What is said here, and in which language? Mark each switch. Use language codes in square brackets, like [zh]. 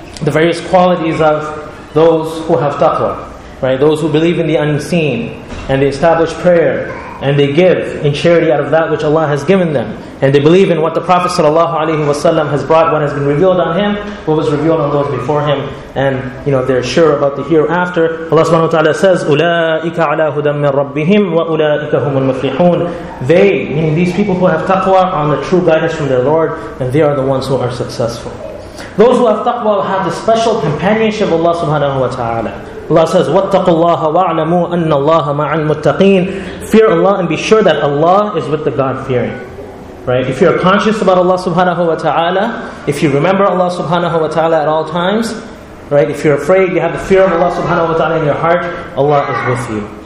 [en] The various qualities of those who have taqwa, right? Those who believe in the unseen, and they establish prayer, and they give in charity out of that which Allah has given them, and they believe in what the Prophet ﷺ has brought, what has been revealed on him, what was revealed on those before him, and they're sure about the hereafter. Allah subhanahu wa ta'ala says, [ar] أُولَٰئِكَ عَلَىٰ هُدًى مِّن رَبِّهِمْ وَأُولَٰئِكَ هُمُ الْمُفْلِحُونَ. [en] They, meaning these people who have taqwa, are on the true guidance from their Lord, and they are the ones who are successful. Those who have taqwa have the special companionship of Allah subhanahu wa ta'ala. Allah says, [ar] وَاتَّقُوا اللَّهَ وَاعْلَمُوا أَنَّ اللَّهَ مَعَ الْمُتَّقِينَ. [en] Fear Allah and be sure that Allah is with the God-fearing. Right? If you're conscious about Allah subhanahu wa ta'ala, if you remember Allah subhanahu wa ta'ala at all times, right? If you're afraid, you have the fear of Allah subhanahu wa ta'ala in your heart, Allah is with you.